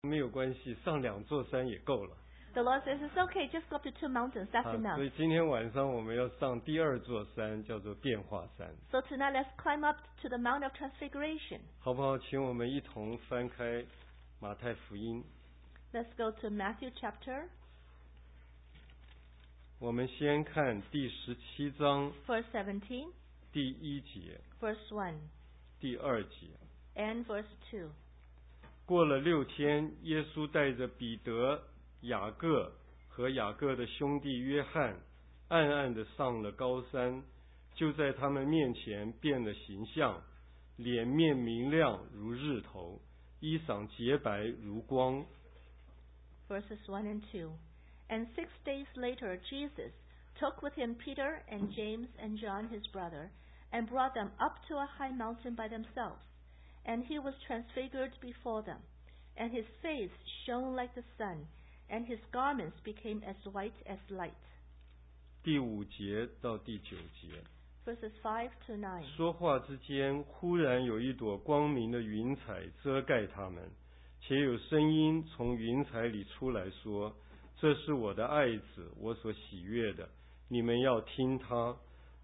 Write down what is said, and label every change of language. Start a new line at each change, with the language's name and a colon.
Chinese: 没有关系，上两座山也够了。
English: The Lord says it's okay, just go up to two mountains, that's enough.
Chinese: 所以今天晚上我们要上第二座山，叫做变化山。
English: So tonight let's climb up to the Mount of Transfiguration.
Chinese: 好不好？请我们一同翻开马太福音。
English: Let's go to Matthew chapter.
Chinese: 我们先看第十七章。
English: Verse 17.
Chinese: 第一节。
English: Verse 1.
Chinese: 第二节。
English: And verse 2.
Chinese: 过了六天，耶稣带着彼得、雅各和雅各的兄弟约翰，暗暗地上了高山，就在他们面前变了形象，脸面明亮如日头，衣裳洁白如光。
English: Verses 1 and 2. And 6 days later, Jesus took with him Peter and James and John his brother, and brought them up to a high mountain by themselves. And he was transfigured before them, and his face shone like the sun, and his garments became as white as light.
Chinese: 第五节到第九节。
English: Verses 5 to 9.
Chinese: 说话之间，忽然有一朵光明的云彩遮盖他们，且有声音从云彩里出来说：“这是我的爱子，我所喜悦的，你们要听他。”